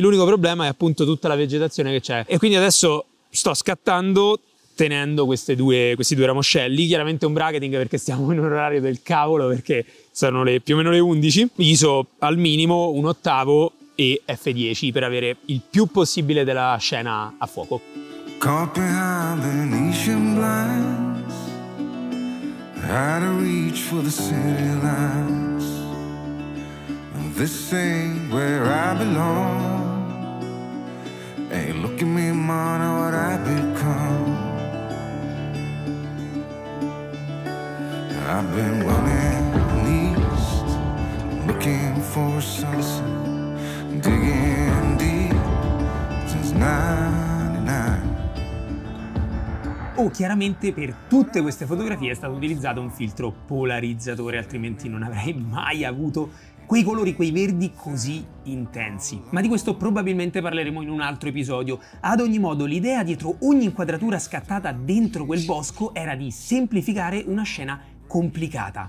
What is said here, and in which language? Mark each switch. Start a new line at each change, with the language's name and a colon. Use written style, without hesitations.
Italian: L'unico problema è appunto tutta la vegetazione che c'è. E quindi adesso sto scattando tenendo questi due ramoscelli, chiaramente un bracketing perché stiamo in un orario del cavolo, perché sono le più o meno le 11, ISO al minimo un ottavo e F10 per avere il più possibile della scena a fuoco.
English: Caught behind the Venetian blinds, out of reach for the city lights. This ain't where I belong. Hey, look at me, man, what I become. I've been running east, looking for something, digging deep since 99.
Italian: Chiaramente per tutte queste fotografie è stato utilizzato un filtro polarizzatore, altrimenti non avrei mai avuto quei colori, quei verdi così intensi. Ma di questo probabilmente parleremo in un altro episodio. Ad ogni modo, l'idea dietro ogni inquadratura scattata dentro quel bosco era di semplificare una scena complicata.